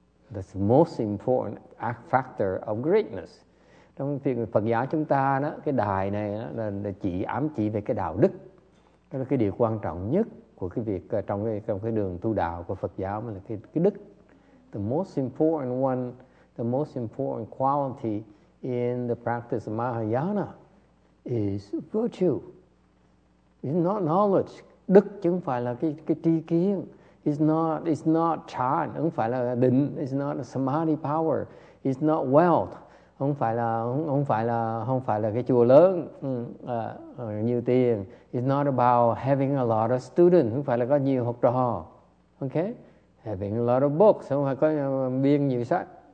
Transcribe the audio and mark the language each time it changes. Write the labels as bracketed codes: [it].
[en] That's the most important factor of greatness. [vi] Trong việc Phật giáo chúng ta đó, cái đài này đó, là chỉ ám chỉ về cái đạo đức. Đó là cái điều quan trọng nhất của cái việc trong cái đường tu đạo của Phật giáo, mà là cái đức. [en] The most important one, the most important quality in the practice of Mahayana is virtue. It's not knowledge. [vi] Đức chứ không phải là cái tri kiến. [en] It's not chan, [vi] không phải là định. [en] It's not a samadhi power. It's not wealth. [vi] Không phải là cái chùa lớn nhiều tiền. [en] It's not about having a lot of students. [vi] Không phải là có nhiều học trò. [en] Okay, having a lot of books. [vi] Không phải có biên nhiều sách.